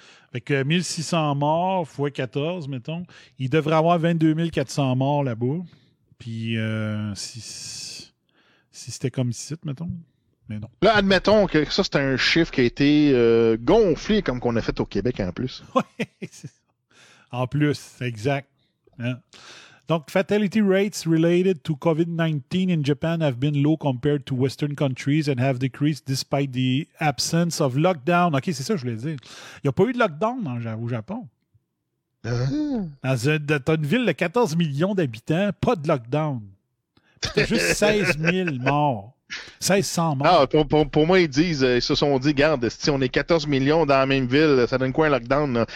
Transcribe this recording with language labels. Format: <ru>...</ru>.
<fr>Fait que 1600 morts fois 14, mettons, il devrait avoir 22 400 morts là-bas. Puis si c'était comme ici, mettons. Mais non. Là, admettons que ça, c'est un chiffre qui a été gonflé comme qu'on a fait au Québec en plus. Oui, en plus, exact. Hein?</fr> <en>Donc, fatality rates related to COVID-19 in Japan have been low compared to Western countries and have decreased despite the absence of lockdown.</en> <fr>OK, c'est ça que je voulais dire. Il n'y a pas eu de lockdown au Japon. Dans une ville de 14 millions d'habitants, pas de lockdown. T'as juste 16 000 morts. 1600 morts. Ah, pour moi, ils disent, ils se sont dit, garde, si on est 14 millions dans la même ville, ça donne quoi un lockdown? Là?</fr>